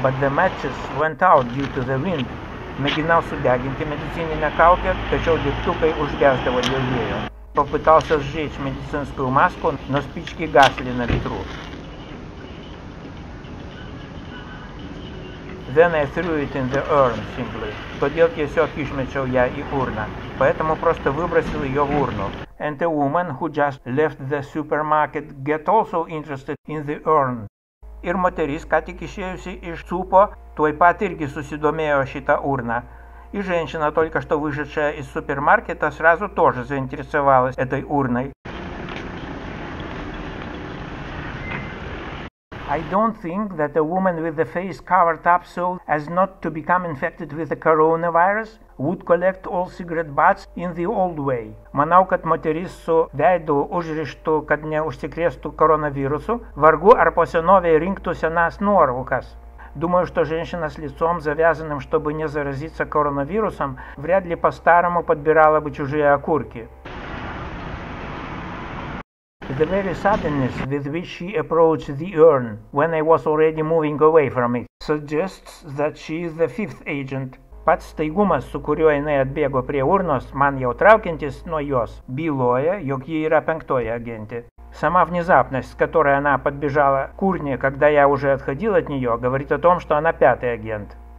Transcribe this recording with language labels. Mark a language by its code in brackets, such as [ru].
[en] bet the matches went out due to the wind. [lt] Mėginau sudeginti medicininę kaukę, tačiau dirbtukai užgesdavo dėl vėjo. Papitausia žiūrėti medicinskų maskų, nors pičkį gaslina vitru. [en] Then I threw it in the urn simply. [lt] Todėl tiesiog išmečiau ją į urną. [ru] Поэтому просто выбросил ее в урну. [en] And the woman who just left the supermarket get also interested in the urn. [lt] Ir moteris, ką tik išėjusi iš supo, tuoj pat irgi susidomėjo šitą urną. [ru] И женщина, только что вышедшая из супермаркета, сразу тоже заинтересовалась этой урной. [en] I don't think that a woman with the face covered up so as not to become infected with the coronavirus would collect all cigarette butts in the old way. [lt] Manau, kad moteris su veidu užrištu, kad neužsikrėstų koronavirusu, vargu ar po senovei rinktų senas nuorūkas. [ru] Думаю, что женщина с лицом, завязанным, чтобы не заразиться коронавирусом, вряд ли по-старому подбирала бы чужие окурки. [en] The very suddenness with which she approached the urn, when I was already moving away from it, suggests that she is the fifth agent. [lt] Pats staigumas, su kuriuo jinai atbėgo prie urnos, man jau traukiantis nuo jos, byloja, jog ji yra penktoji agentė. [ru] Сама внезапность, с которой она подбежала к урне, когда я уже отходил от нее, говорит о том, что она пятый агент.